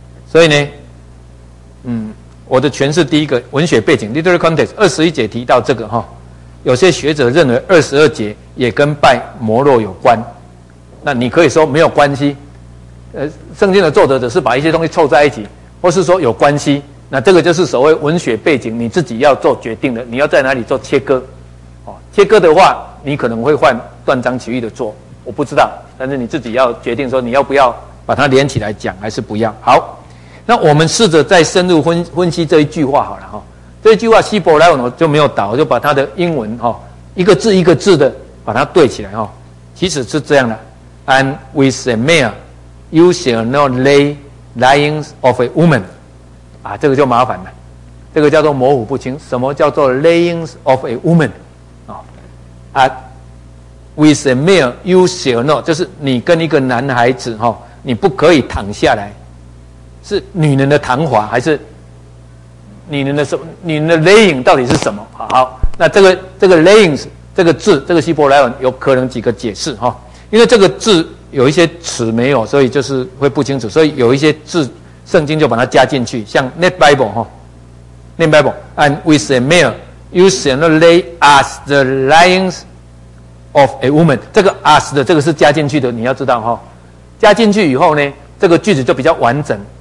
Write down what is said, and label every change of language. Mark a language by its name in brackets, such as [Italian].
[Chinese] 所以呢嗯，我的诠释第一个文学背景 literary context 二十一节提到这个哈、哦，有些学者认为二十二节也跟拜摩洛有关，那你可以说没有关系，圣经的作者只是把一些东西凑在一起，或是说有关系，那这个就是所谓文学背景，你自己要做决定的，你要在哪里做切割、哦、切割的话你可能会犯断章取义的错，我不知道，但是你自己要决定说你要不要把它连起来讲还是不要。好，那我们试着再深入分析这一句话好了哈、哦。这一句话希伯来文我就没有打，我就把它的英文哈、哦、一个字一个字的把它对起来哈、哦。其实是这样的 [English] ：And with a male, you shall not lay lying of a woman。 [Chinese] 啊，这个就麻烦了，这个叫做模糊不清。什么叫做 [English] laying of a woman？ [Chinese] 啊、哦、， [English] with a male, you shall not， [Chinese] 就是你跟一个男孩子哈、哦，你不可以躺下来。是女人的谈话还是女人的什么？女人的 laying 到底是什么？好，那这个 laying 这个字，这个希伯来文有可能几个解释哈、哦，因为这个字有一些词没有，所以就是会不清楚，所以有一些字圣经就把它加进去，像 net bible 哈、哦、， [English] net bible and with a male you shall not lay as the lying of a woman， [Chinese] 这个 as 的这个是加进去的，你要知道哈、哦，加进去以后呢，这个句子就比较完整。